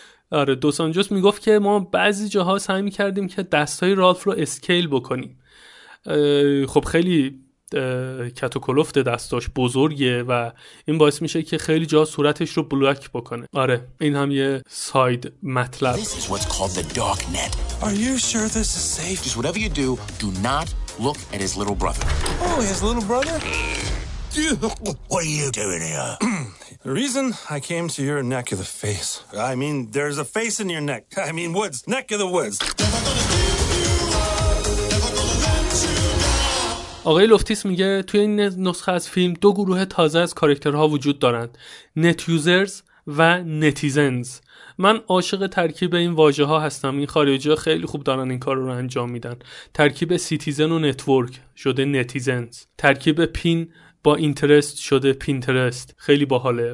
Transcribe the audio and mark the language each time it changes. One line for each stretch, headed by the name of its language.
Persian: آره دوس آنجوس میگفت که ما بعضی جاها سعی میکردیم که دستای رالف رو اسکیل بکنیم. خب خیلی کتوکلفت دستاش بزرگه و این باعث میشه که خیلی جا صورتش رو بلوک بکنه. آره این هم یه ساید مطلب.
English: This is what's called the dark net. Are you sure this is safe? Just whatever you do, do not look at his little brother. Oh, his little brother? What are you doing here? The reason I came to your neck of the face. I mean, there's a face in your neck. I mean, woods, neck of the woods.
Persian: آقای لوفتیس میگه توی این نسخه از فیلم دو گروه تازه از کاراکترها وجود دارند، نت یوزرز و نتیزنز. من عاشق ترکیب این واژه ها هستم. این خارجی ها خیلی خوب دارن این کار رو انجام میدن. ترکیب سیتیزن و نتورک شده نتیزنز، ترکیب پین با اینترست شده پینترست، خیلی باحاله.